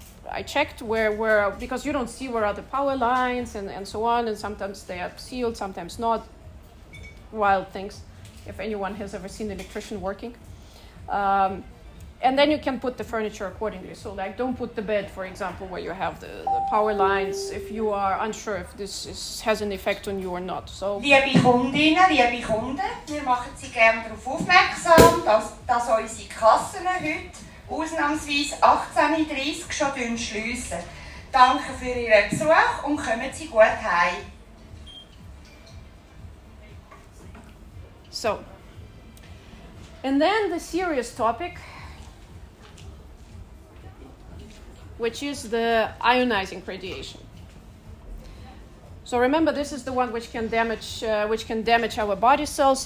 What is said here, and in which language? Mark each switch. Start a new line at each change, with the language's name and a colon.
English: I checked where because you don't see where are the power lines and so on, and sometimes they are sealed, sometimes not. Wild things, if anyone has ever seen an electrician working. And then you can put the furniture accordingly. So like, don't put the bed, for example, where you have the power lines if you are unsure if this has an effect on you or not. So.
German: Liebe Hundinnen, liebe Hunde, wir machen Sie gerne darauf aufmerksam, dass unsere Kassen heute ausnahmsweise 18:30 Uhr schon schliessen. Danke für Ihre Besuch und kommen Sie gut heim.
English: So, and then the serious topic, which is the ionizing radiation. So remember, this is the one which can damage our body cells.